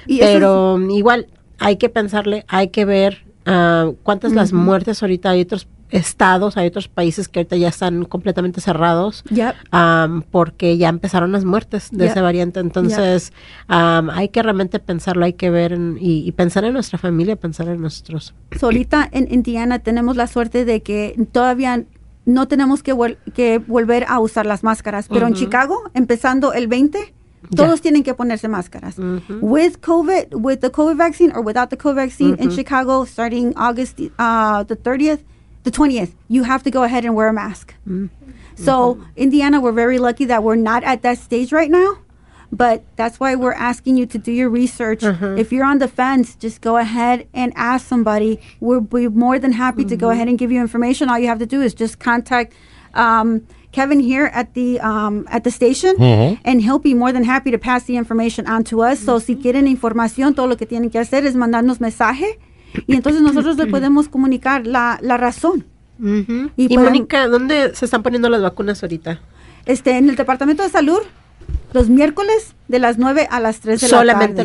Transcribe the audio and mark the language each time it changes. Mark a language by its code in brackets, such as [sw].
[es] Igual hay que pensarle, hay que ver cuántas las muertes ahorita hay otros estados, hay otros países que ahorita ya están completamente cerrados porque ya empezaron las muertes de esa variante, entonces hay que realmente pensarlo, hay que ver y pensar en nuestra familia, pensar en nuestros. [en] So, [es] ahorita en Indiana tenemos la suerte de que todavía no tenemos que volver a usar las máscaras. Pero uh-huh. en Chicago, empezando el 20, todos yeah. tienen que ponerse máscaras. Uh-huh. [en] With COVID, with the COVID vaccine or without the COVID vaccine uh-huh. in Chicago, starting August the 20th, you have to go ahead and wear a mask. Uh-huh. So uh-huh. Indiana, we're very lucky that we're not at that stage right now. But that's why we're asking you to do your research. Uh-huh. If you're on the fence, just go ahead and ask somebody. We'll be more than happy mm-hmm. to go ahead and give you information. All you have to do is just contact Kevin here at the station, uh-huh. and he'll be more than happy to pass the information on to us. [es] Mm-hmm. So si quieren información, todo lo que tienen que hacer es mandarnos mensaje. Y entonces nosotros le podemos comunicar la razón. Uh-huh. Y Mónica, ¿dónde se están poniendo las vacunas ahorita? En el Departamento de Salud. Los miércoles de las 9 a las 3 de solamente